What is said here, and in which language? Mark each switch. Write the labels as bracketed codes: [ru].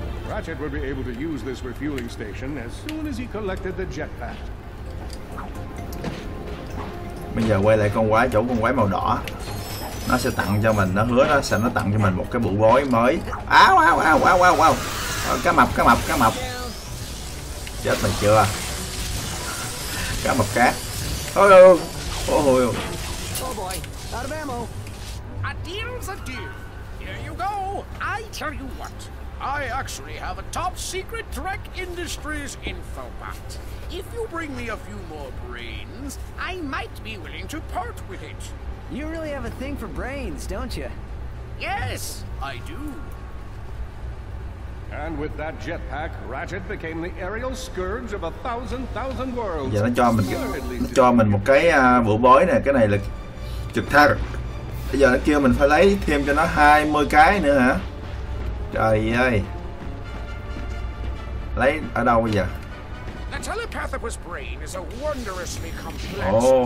[en] Ratchet would be able to use this refueling station as soon as he collected the jetpack. [vi] Bây giờ quay lại con quái, chỗ con quái màu đỏ. Nó sẽ tặng cho mình, nó hứa nó tặng cho mình một cái bộ gói mới. Á, wow. Cá mập. Chết mình chưa? Cá mập cát. Ôi. [en] Oh boy, out of ammo. A deal's a deal. Here you go. I tell you what. I actually have a top secret Trek Industries info box. If you bring me a few more brains, I might be willing to part with it. You really have a thing for brains, don't you? Yes, I do. And with that jetpack, Ratchet became the aerial scourge of a thousand worlds. [vi] Giờ nó cho mình một cái vũ bối nè, cái này là trực thăng. Bây giờ nó kêu mình phải lấy thêm cho nó 20 cái nữa hả? Trời ơi. Lấy ở đâu bây giờ? [en] The telepath of his brain is a wondrously complex.